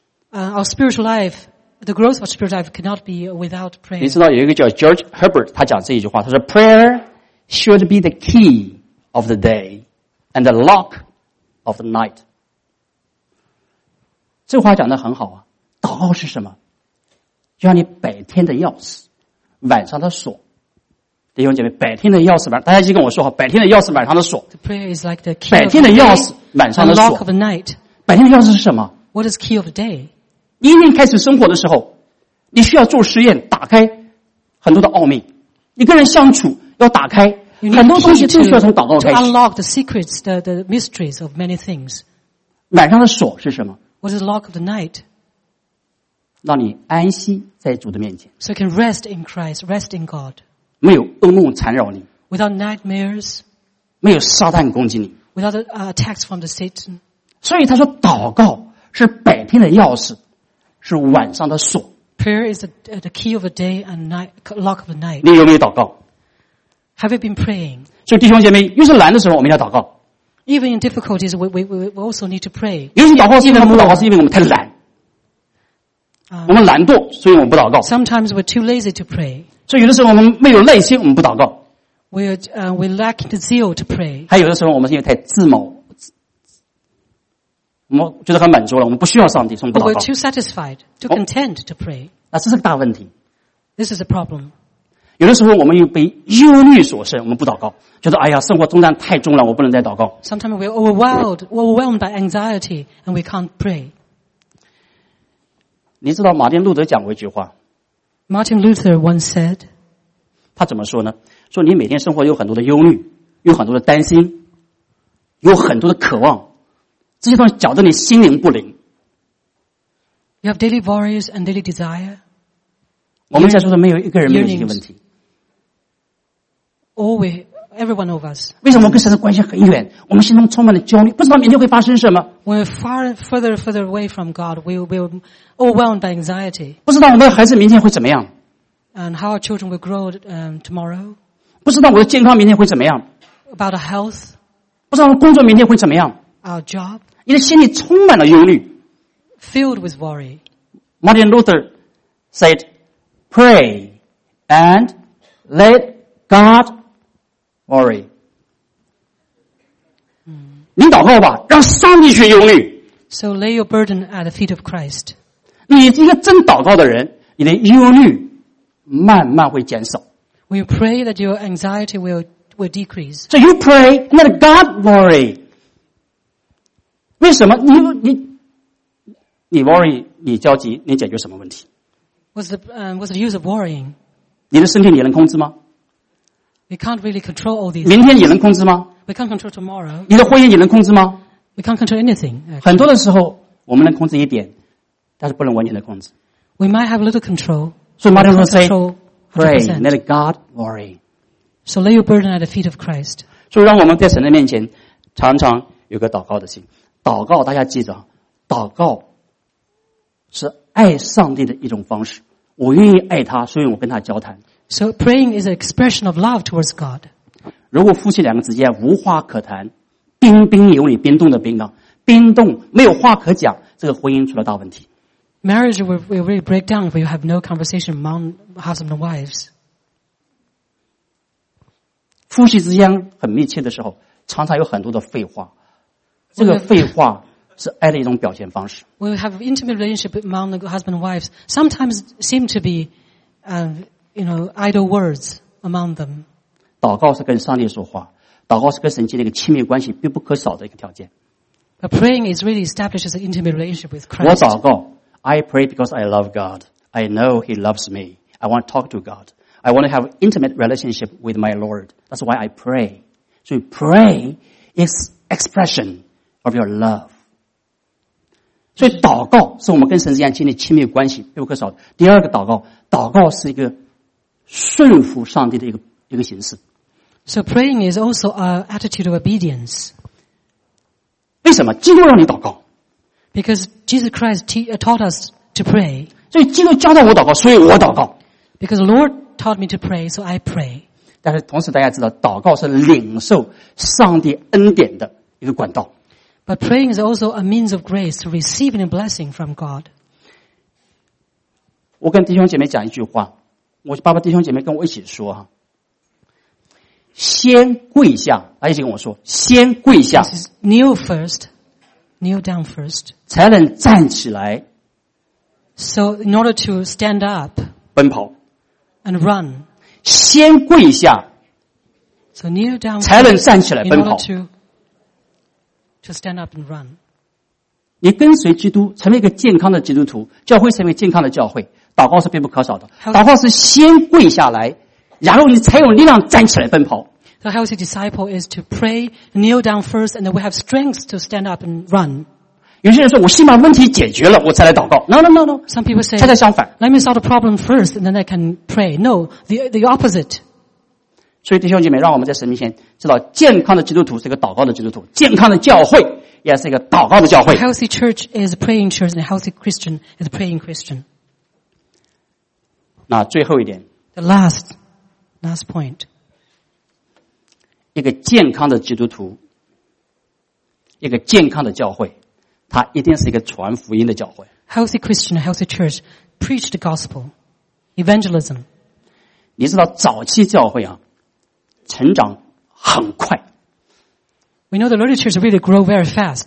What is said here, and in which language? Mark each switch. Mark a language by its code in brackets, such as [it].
[en] Our spiritual life, the growth of our spiritual life cannot be without prayer. [zh] 你知道有一个叫 George Herbert, 他讲这一句话，他说 [en] Prayer should be the key of the day and the lock of the night. [zh] 这话讲得很好啊，祷告是什么？就像你白天的钥匙，晚上的锁。弟兄姐妹，白天的钥匙，大家一起跟我说好，白天的钥匙，晚上的锁。 [en] The prayer is like the key of the day. [zh] 白天的钥匙，晚上的锁。 [en] The lock of the night. [zh] 白天的钥匙是什么？ [en] What is key of the day? [zh] 一年开始生活的时候，你需要做实验，打开很多的奥秘。你跟人相处要打开很多东西，就需要从祷告开始。 [en] To unlock the secrets, the mysteries of many things. [zh] 晚上的锁是什么？ [en] What is the lock of the night? [zh] 让你安息在主的面前。 [en] So you can rest in Christ, rest in God. [zh] 没有噩梦缠绕你。 [en] Without nightmares. [zh] 没有撒旦攻击你。 [en] Without attacks from the Satan. [zh] 所以他说祷告是白天的钥匙，是晚上的锁。 [en] Prayer is the key of the day and night, lock of the night. [zh] 你有没有祷告？ [en] Have you been praying? [zh] 所以弟兄姐妹，越是难的时候，我们要祷告。 [en] Even in difficulties, we also need to pray. [zh] 有些祷告是因为我们不祷告，是因为我们太懒。我们懒惰，所以我们不祷告。 [en] Sometimes we're too lazy to pray. [zh] 所以有的时候我们没有耐心，我们不祷告。 [en] We lack the zeal to pray. [zh] 还有的时候我们是因为太自满。我们觉得很满足了，我们不需要上帝，所以不祷告。 [en] But we're too satisfied, too content to pray. [zh] 那这是个大问题。 [en] This is a problem. [zh] 有的时候我们又被忧虑所胜，我们不祷告，觉得哎呀，生活重担太重了，我不能再祷告。 [en] Sometimes we're overwhelmed by anxiety and we can't pray. [zh] 你知道马丁路德讲过一句话。 [en] Martin Luther once said. [zh] 他怎么说呢？说你每天生活有很多的忧虑，有很多的担心，有很多的渴望。这些东西搅得你心灵不灵。 [en] You have daily worries and daily desire. [zh] 我们在座的没有一个人没有这些问题。 [en] Everyone of us. [zh] 为什么跟神的关系很远？我们心中充满了焦虑，不知道明天会发生什么。 [en] We're far, further away from God. We're overwhelmed by anxiety. [zh] 不知道我们的孩子明天会怎么样。 [en] And how our children will grow tomorrow. [zh] 不知道我的健康明天会怎么样。 [en] About our health. [zh] 不知道我工作明天会怎么样。 [en] Our job, [zh] 你的心里充满了忧虑 [en] filled with worry. Martin Luther said, "Pray and let God worry." [zh] 你祷告吧，让上帝去忧虑。 [en] So lay your burden at the feet of Christ. [zh] 你是一个真祷告的人，你的忧虑慢慢会减少。 [en] We pray that your anxiety will decrease. So you pray, let God worry. [zh] 为什么你 [en] worry [zh] 你焦急你解决什么问题 [en] What's the use of worrying? [zh] 你的身体你能控制吗 [en] We can't really control all these. [zh] 明天你能控制吗？ [en] We can't control tomorrow. [zh] 你的婚姻你能控制吗？ [en] We can't control anything. [zh] 很多的时候我们能控制一点，但是不能完全的控制。 [en] We might have a little control. So Martin will say, pray, let God worry. So lay your burden at the feet of Christ. [zh] 所以让我们在神的面前常常有个祷告的心。祷告，大家记着，祷告是爱上帝的一种方式。我愿意爱他，所以我跟他交谈。 [en] So praying is an expression of love towards God. [zh] 如果夫妻两个之间无话可谈，冰冰有理，冰冻的冰啊，冰冻没有话可讲，这个婚姻出了大问题。 [en] Marriage will really break down if you have no conversation among husband and wives. [zh] 夫妻之间很密切的时候，常常有很多的废话。这个废话是爱的一种表现方式。 [en] We have intimate relationship among the husband and wives. Sometimes seem to be, idle words among them. [zh] 祷告是跟上帝说话，祷告是跟神建立一个亲密关系必不可少的一个条件。 [en] But praying is really establishes an intimate relationship with Christ. [zh] 我祷告 [en] ，I pray because I love God. I know He loves me. I want to talk to God. I want to have intimate relationship with my Lord. That's why I pray. So pray is expression of your love. [zh] 所以祷告是我们跟神之间建立亲密关系必不可少的。第二个祷告，祷告是一个顺服上帝的一个形式。 [en] So praying is also an attitude of obedience. [zh] 为什么？基督让你祷告。 [en] Because Jesus Christ taught us to pray. [zh] 所以基督教导我祷告，所以我祷告。 [en] Because the Lord taught me to pray, so I pray. [zh] 但是同时大家知道，祷告是领受上帝恩典的一个管道。 [en] But praying is also a means of grace to receive a blessing from God. [zh] 我跟弟兄姐妹讲一句话，我爸爸弟兄姐妹跟我一起说哈，先跪下，他一起跟我说，先跪下 [en] ，kneel first, kneel down first, [zh] 才能站起来。 [en] So in order to stand up, [zh] 奔跑 [en] ，and run, [zh] 先跪下 [en] ，so kneel down, [zh] 才能站起来奔跑。 [en] To stand up and run. [zh] 你跟随基督，成为一个健康的基督徒，教会成为健康的教会，祷告是必不可少的。祷告是先跪下来，然后你才有力量站起来奔跑。 [en] The healthy disciple is to pray, kneel down first, and then we have strength to stand up and run. [zh] 有些人说，我先把问题解决了，我再来祷告。 [en] No. Some people say, [zh] 恰恰相反。 [en] Let me solve the problem first, and then I can pray. No, the opposite. [zh] 所以弟兄姐妹，让我们在神面前知道，健康的基督徒是一个祷告的基督徒，健康的教会也是一个祷告的教会。 [en] A healthy church is a praying church, and a healthy Christian is a praying Christian. [zh] 那最后一点 [en] ，the last point， [zh] 一个健康的基督徒，一个健康的教会，它一定是一个传福音的教会。 [en] Healthy Christian, healthy church, preach the gospel, evangelism. [zh] 你知道早期教会啊？成长很快。 [en] We know the early church really grow very fast.